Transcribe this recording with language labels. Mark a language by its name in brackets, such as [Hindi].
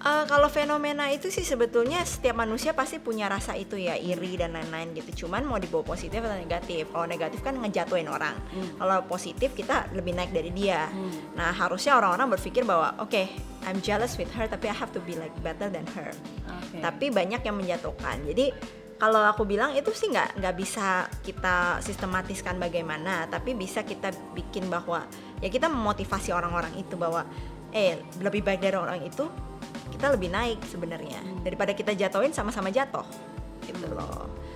[Indonesian] Kalau fenomena itu sih sebetulnya setiap manusia pasti punya rasa itu ya, iri dan lain-lain gitu. Cuman mau dibawa positif atau negatif. Kalau negatif kan ngejatuhin orang. Kalau positif kita lebih naik dari dia. Nah harusnya orang-orang berpikir bahwa [English] okay, I'm jealous with her [Indonesian] tapi [English] I have to be like better than her. [Indonesian] Tapi banyak yang menjatuhkan. Jadi kalau aku bilang itu sih nggak bisa kita sistematiskan bagaimana, tapi bisa kita bikin bahwa ya kita memotivasi orang-orang itu bahwa lebih baik dari orang itu, kita lebih naik sebenarnya daripada kita jatohin sama-sama jatuh gitu loh.